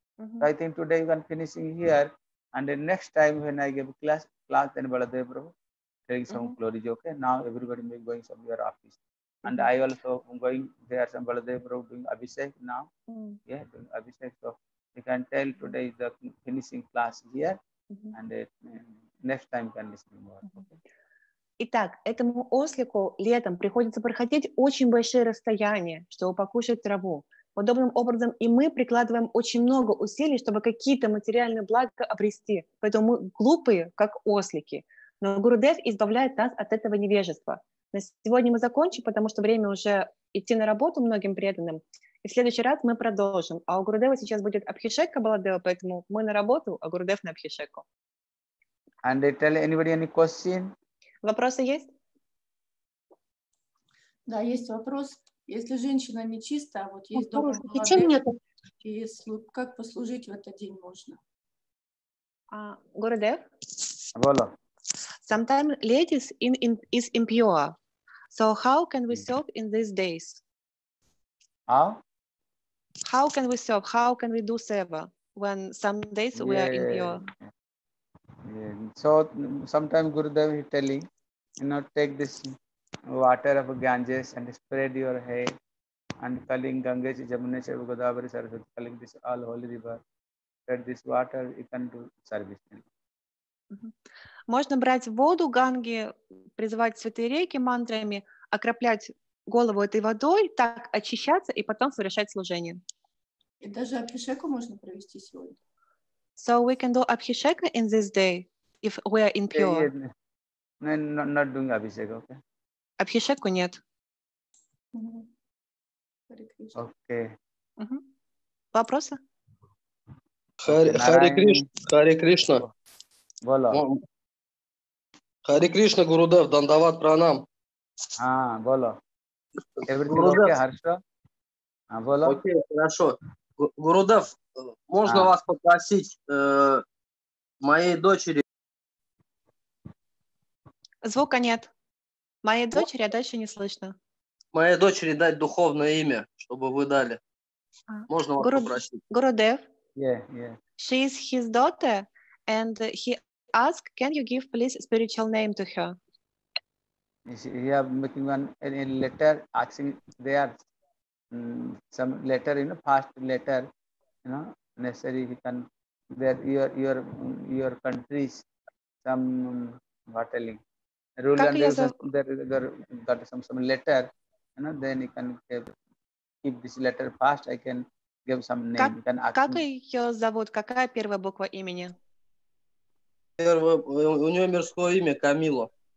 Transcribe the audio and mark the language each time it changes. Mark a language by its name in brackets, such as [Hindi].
[English] So I think today you can finish here, and then next time when I give class, then Baladev Prabhu, telling some glory, okay, now everybody may going to your office. And I also am going there, some Baladev Prabhu doing Abhishek now. Mm-hmm. Yeah, doing Abhishek. So you can tell today the finishing class here. Mm-hmm. And next time you can listen more. Okay. [Russian] Итак, этому ослику летом приходится проходить очень большие расстояния, чтобы покушать траву. Подобным образом и мы прикладываем очень много усилий, чтобы какие-то материальные блага обрести. Поэтому мы глупые, как ослики. Но Гурудев избавляет нас от этого невежества. На сегодня мы закончим, потому что время уже идти на работу многим преданным. И в следующий раз мы продолжим. А у Гурудева сейчас будет Абхишека Баладева, поэтому мы на работу, а Гурудев на Абхишеку. [English] And I tell anybody any question? [Russian] Вопросы есть? Да, есть вопрос. Если женщина нечиста, а вот есть добрый человек, и как послужить в этот день можно? Гурудев? [French] Voilà. [English] Sometimes ladies is impure. So how can we serve in these days? How can we serve? How can we do seva when some days we are impure? Yeah. So sometimes Gurudev is telling, You know, take this water of Ganges and spread your hair. And calling Ganges, Jamuneshwari, Godavari, Saraswati, calling this all holy river. Spread this water, you can do service. [Russian] Можно брать воду Ганги, призывать святые реки мантрами, окроплять голову этой водой, так очищаться и потом совершать служение. И даже абхишеку можно провести сегодня. [English] So we can do abhisheka in this day if we are impure. Yeah, yeah. No, not doing abhisheka, okay? [Russian] Abhisheku нет. [English] Mm-hmm. Okay. [Russian] Mm-hmm. Вопросы? [English] Hare Krishna. Bola. Hare Krishna, Gurudev, Dandavat Pranam. Ah, bola. Everything Gurudev. Okay, Harsha? Ah, bola. [Russian] Okay, хорошо. Gurudev, можно вас попросить моей дочери? Звука нет. Моей дочери, а дальше не слышно. Моей дочери дать духовное имя, чтобы вы дали. Можно вас попросить? Gurudev? [English] Yeah, yeah. She is his daughter, and he asked, can you give please a spiritual name to her? He are making one in letter, asking there some letter, you know, fast letter, you know, necessary, he can, that your country's some battling rule, and there got some letter, you know, then you can keep this letter fast, I can give some name. [Russian] Как ее зовут? Какая первая буква имени? У нее мирское имя Камила.